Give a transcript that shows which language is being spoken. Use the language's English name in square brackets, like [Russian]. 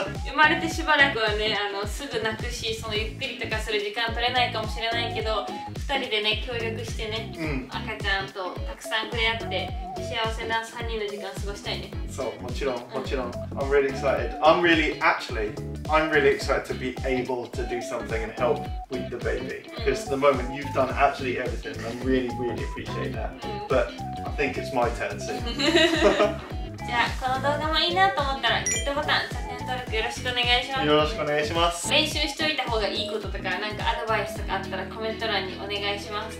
[Japanese] 生まれてしばらくはね、すぐ泣くし、そのゆっくりとかする時間取れないかもしれないけど、二人でね、協力してね、うん、赤ちゃんとたくさん触れ合って、幸せな3人の時間過ごしたいね。そう、もちろん、もちろん。うん、 [English] I'm really excited. I'm really, actually, I'm really excited to be able to do something and help with the baby. Because、 [Japanese] うん、 [English] the moment you've done actually everything, I really, really appreciate that.、うん、But I think it's my turn soon. [Japanese] じゃあ、この動画もいいなと思ったら、グッドボタン、チャンネル登録よろしくお願いします。よろしくお願いします。練習しておいた方がいいこととか、なんかアドバイスとかあったらコメント欄にお願いします。